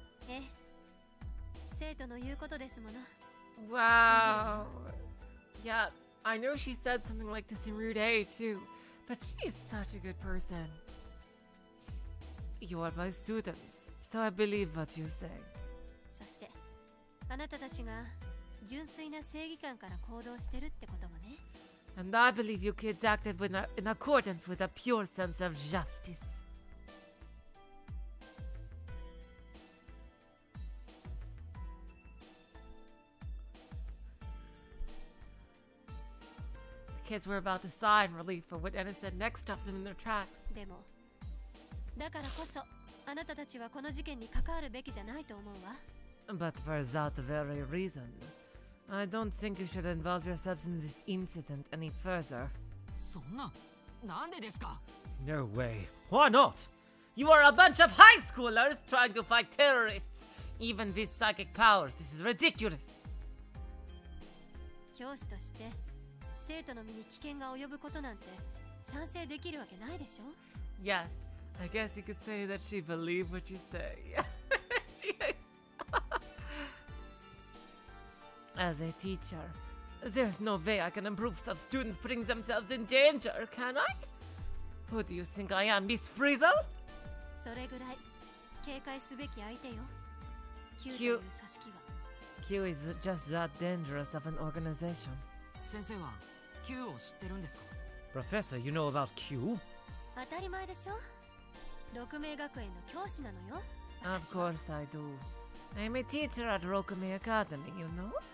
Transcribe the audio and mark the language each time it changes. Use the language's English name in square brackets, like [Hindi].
[Japanese] え、生徒の言うことですもの。 [English] Wow. Yeah, I know she said something like this in Route A too, but she is such a good person. You are my students, so I believe what you say. [Japanese] そして、あなたたちが純粋な正義感から行動してるってこともね。 [English] And I believe you kids acted in accordance with a pure sense of justice. The kids were about to sigh in relief, but what Anna said next stopped them in their tracks. [Japanese] Demo. だからこそ、あなたたちはこの事件に関わるべきじゃないと思うわ。 [English] But for that very reason. I don't think you should involve yourselves in this incident any further. [Japanese] そんな、なんでですか? [English] No way. Why not? You are a bunch of high schoolers trying to fight terrorists. Even with psychic powers, this is ridiculous. [Japanese] 教師として、生徒の身に危険が及ぶことなんて、賛成できるわけないでしょ? [English] Yes, I guess you could say that she believed what you say. She is. As a teacher, there's no way I can improve some students putting themselves in danger, can I? Who do you think I am, Miss Frizzle? [Japanese] それぐらい警戒すべき相手よ。 Q という組織は。 [English] Q is just that dangerous of an organization. [Japanese] 先生は Q を知ってるんですか? [English] Professor, you know about Q? [Japanese] 当たり前でしょ。六名学園の教師なのよ。 [English] Of course I do. I'm a teacher at Rokume Academy, you know?